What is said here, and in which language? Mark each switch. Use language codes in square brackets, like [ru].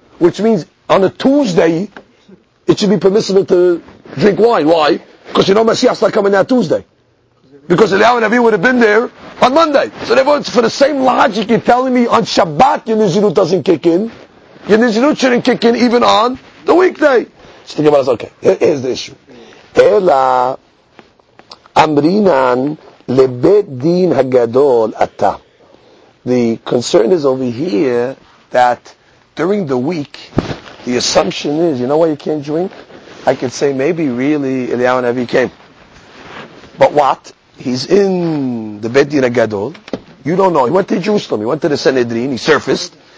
[en] Which means, on a Tuesday, it should be permissible to drink wine. Why? Because you know Mashiach's not coming that Tuesday. Because Eliyahu HaNavi would have been there on Monday. So therefore, it's for the same logic you're telling me on Shabbat your Nizirut doesn't kick in. Your Nizirut shouldn't kick in even on the weekday. So the Gemara says, okay, here's the issue. [arc] Ela Amrinan Lebet Din Hagadol Ata. [en] The concern is over here that during the week, the assumption is, you know why you can't drink? I could say maybe really Eliyahu HaNavi came. But what? He's in the Beit Din HaGadol. You don't know. He went to Jerusalem. He went to the Sanhedrin. He surfaced.